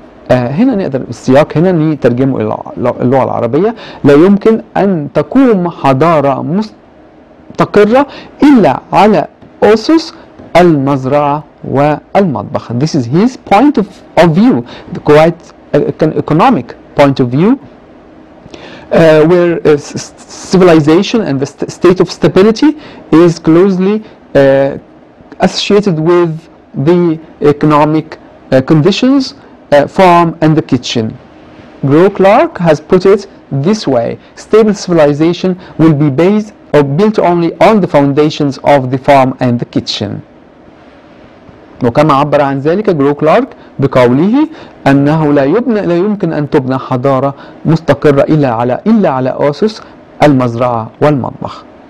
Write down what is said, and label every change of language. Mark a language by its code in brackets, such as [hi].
[ar] هنا نقدر السياق هنا نترجمه إلى اللغة العربية لا يمكن أن تقوم حضارة مستقرة إلا على أسس المزرعة والمطبخ. [en] This is his point of view, the quite economic point of view, where civilization and the state of stability is closely associated with the economic conditions. Farm and the kitchen. Gro Clark has put it this way. Stable civilization will be based or built only on the foundations of the farm and the kitchen. [ar] وكما عبر عن ذلك Gro Clark بقوله أنه لا يمكن أن تبنى حضارة مستقرة إلا على أسس المزرعة والمطبخ.